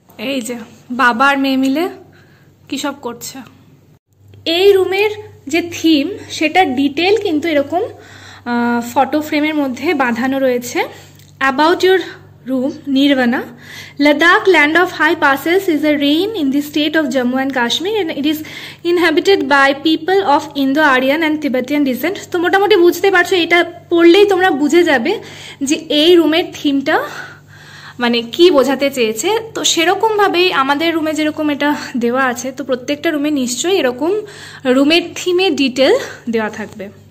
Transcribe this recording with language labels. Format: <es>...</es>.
<bn>এই যে বাবা আর মেয়ে মিলে কি সব করছে। এই রুমের যে থিম সেটা ডিটেল কিন্তু এরকম ফটো ফ্রেমের মধ্যে বাঁধানো রয়েছে।</bn> <en>About your room, Nirvana. Ladakh, land of high passes, is a rain in the state of Jammu and Kashmir, and it is inhabited by people of Indo-Aryan and Tibetan descent.</en> <bn>So, মোটামুটি বুঝতে পারছো, এটা পড়লেই তোমরা বুঝে যাবে যে এই রুমের থিমটা মানে কি বোঝাতে চেয়েছে। তো সেরকম ভাবেই আমাদের রুমে যেরকম এটা দেওয়া আছে, তো প্রত্যেকটা রুমে নিশ্চয়ই এরকম রুমের থিমে ডিটেল দেওয়া থাকবে।</bn>